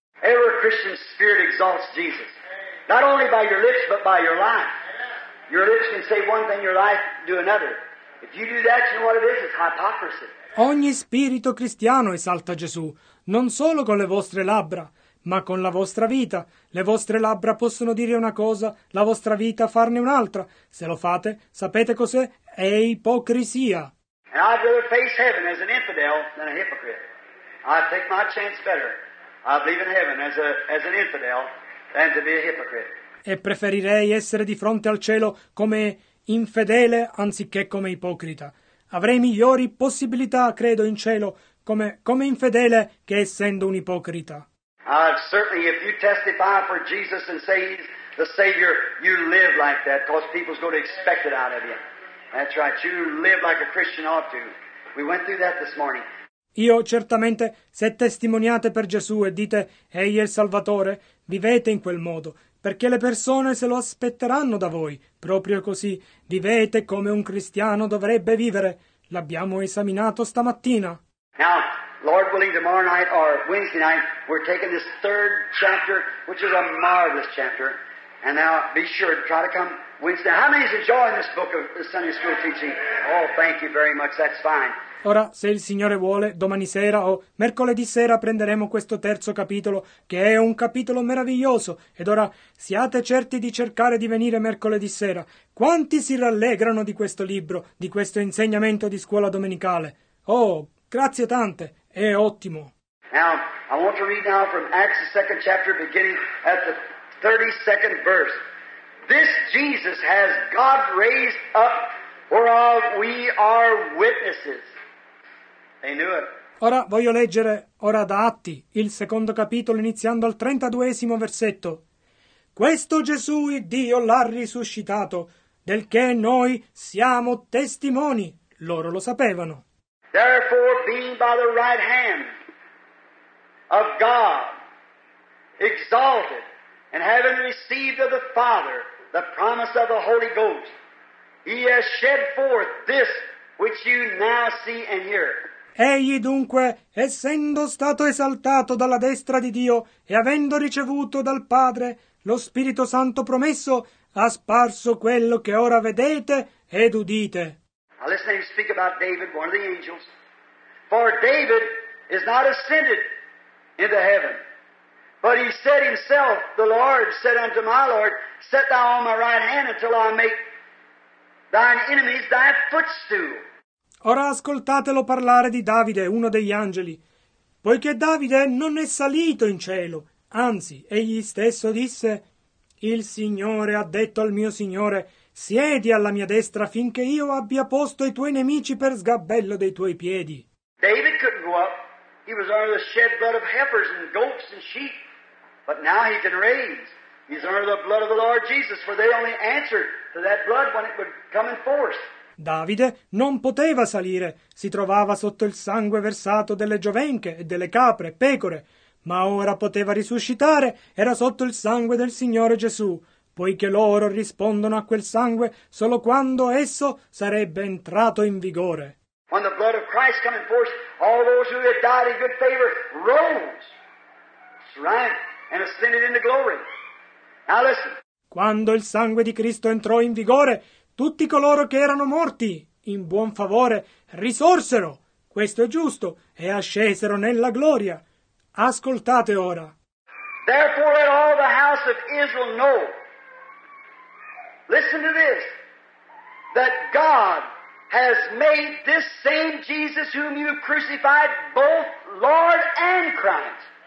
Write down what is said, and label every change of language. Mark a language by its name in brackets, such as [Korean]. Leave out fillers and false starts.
[English] Every Christian spirit exalts Jesus. Not only by your lips, but by your life. Your lips can say one thing, your life do another. If you do that, you know what it is? It's hypocrisy. [Italian] Ogni spirito cristiano esalta Gesù, non solo con le vostre labbra, ma con la vostra vita. Le vostre labbra possono dire una cosa, la vostra vita farne un'altra. Se lo fate, sapete cos'è? È ipocrisia. [English] And I'd rather face heaven as an infidel than a hypocrite. I'd take my chance better. I'd live in heaven as an infidel. And to be a hypocrite. [Italian] E preferirei essere di fronte al cielo come infedele anziché come ipocrita. Avrei migliori possibilità, credo, in cielo come infedele che essendo un ipocrita. [English] Certainly, if you testify for Jesus and say he's the Savior, you live like that, because people's going to expect it out of you. That's right, you live like a Christian ought to. We went through that this morning. [Italian] Io certamente, se testimoniate per Gesù e dite egli è il Salvatore, vivete in quel modo, perché le persone se lo aspetteranno da voi. Proprio così, vivete come un cristiano dovrebbe vivere. L'abbiamo esaminato stamattina. [English] Now, Lord willing, tomorrow night or Wednesday night, we're taking this third chapter, which is a marvelous chapter. And now, be sure to try to come Wednesday. How many is enjoying this book of the Sunday school teaching? Oh, thank you very much, that's fine. [Italian] Ora, se il Signore vuole, domani sera o mercoledì sera prenderemo questo terzo capitolo, che è un capitolo meraviglioso. Ed ora, siate certi di cercare di venire mercoledì sera. Quanti si rallegrano di questo libro, di questo insegnamento di scuola domenicale? Oh, grazie tante, è ottimo. [English] Now, I want to read now from Acts, the second chapter, beginning at the 32nd verse. This Jesus has God raised up, whereof we are witnesses. They knew it. [Italian] Ora voglio leggere, ora da Atti, il secondo capitolo, iniziando al 32° versetto. Questo Gesù Dio l'ha risuscitato, del che noi siamo testimoni. Loro lo sapevano. [English] Therefore, being by the right hand of God, exalted, and having received of the Father the promise of the Holy Ghost, he has shed forth this which you now see and hear. [Italian] Egli dunque, essendo stato esaltato dalla destra di Dio e avendo ricevuto dal Padre lo Spirito Santo promesso, ha sparso quello che ora vedete ed udite. [English] Now listen to him speak about David, one of the angels. For David is not ascended into heaven, But he said himself, the Lord said unto my Lord, set thou on my right hand until I make thine enemies thy footstool. [Italian] Ora ascoltatelo parlare di Davide, uno degli angeli, poiché Davide non è salito in cielo, anzi, egli stesso disse, il Signore ha detto al mio Signore, siedi alla mia destra finché io abbia posto i tuoi nemici per sgabello dei tuoi piedi. [English] David couldn't go up. He was under the shed blood of heifers and goats and sheep. But now he can raise. He's under the blood of the Lord Jesus, for they only answered to that blood when it would come in force. [Italian] Davide non poteva salire, si trovava sotto il sangue versato delle giovenche e delle capre, pecore, ma ora poteva risuscitare, era sotto il sangue del Signore Gesù, poiché loro rispondono a quel sangue solo quando esso sarebbe entrato in vigore. [English] When the blood of Christ came in force, all those who had died in good favor rose, right, and ascended into glory. Now listen. [Italian] Quando il sangue di Cristo entrò in vigore, tutti coloro che erano morti, in buon favore, risorsero, questo è giusto, e ascesero nella gloria. Ascoltate ora. [English] Therefore let all the house of Israel know, listen to this, that God has made this same Jesus whom you crucified both Lord and Christ.